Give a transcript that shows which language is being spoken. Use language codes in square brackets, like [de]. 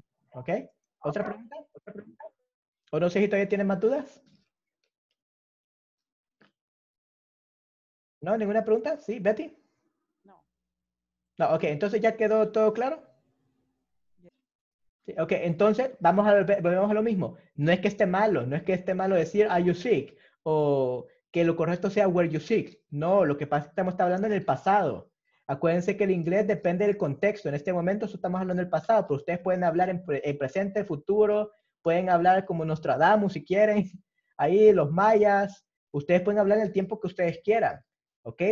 [es] ¿Ok? ¿Otra pregunta? ¿O no sé si todavía tienen más dudas? ¿No? ¿Ninguna pregunta? ¿Sí? ¿Betty? No. No, ok. ¿Entonces ya quedó todo claro? Sí. Ok, entonces vamos a volvemos a lo mismo. No es que esté malo. No es que esté malo decir, [en] are you sick? [es] O que lo correcto sea, [en] were you sick? [es] No, lo que pasa es que estamos hablando en el pasado. Acuérdense que el inglés depende del contexto. En este momento estamos hablando del pasado, pero ustedes pueden hablar en presente, futuro, pueden hablar como Nostradamus si quieren, ahí los mayas, ustedes pueden hablar en el tiempo que ustedes quieran, ¿ok?